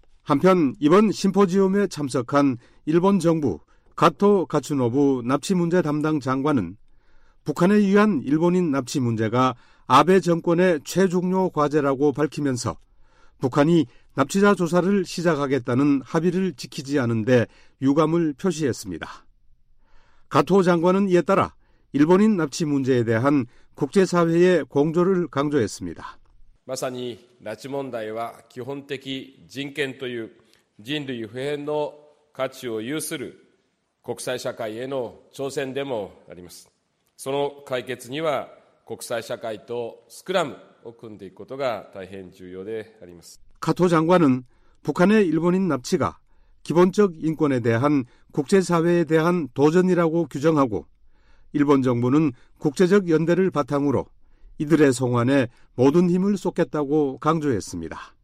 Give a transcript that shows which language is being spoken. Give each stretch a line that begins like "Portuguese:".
Korean: 한편 이번 심포지엄에 참석한 일본 정부 가토 가츠노부 납치 문제 담당 장관은 북한에 의한 일본인 납치 문제가 아베 정권의 최중요 과제라고 밝히면서 북한이 납치자 조사를 시작하겠다는 합의를 지키지 않은 데 유감을 표시했습니다. 가토 장관은 이에 따라 일본인 납치 문제에 대한 국제사회의 공조를 강조했습니다.
Japanese: 마사니 납치 문제는 기본적인 인권 人類普遍の価値を有する国際社会への挑戦でもあります。その解決には国際社会とスクラムを組んでいくことが大変重要であります。
Korean: カト장관은 북한의 일본인 납치가 기본적 인권에 대한 국제사회에 대한 도전이라고 규정하고 일본 정부는 국제적 연대를 바탕으로 이들의 송환에 모든 힘을 쏟겠다고 강조했습니다.